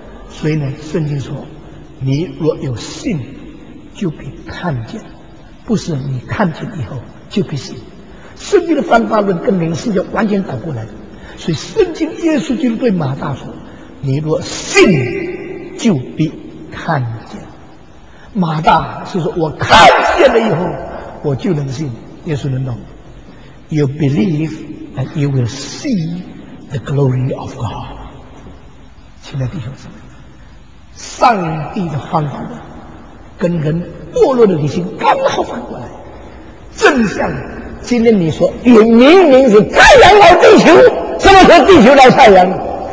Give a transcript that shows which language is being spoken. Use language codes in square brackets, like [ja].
[zh] 所以呢，圣经说，你若有信，就必看见；不是你看见以后就必信。圣经的方法论跟灵世界完全倒过来的。所以，圣经耶稣就对马大说：“你若信，就必看见。” 马大是说：“我看见了以后，我就能信。” 耶稣能懂 ？ [en] You believe and you will see. The glory of God， [zh] 亲爱的弟兄姊妹，上帝的方法论跟人堕落的理性刚好反过来，正像今天你说，也明明是太阳绕地球，什么时候地球绕太阳？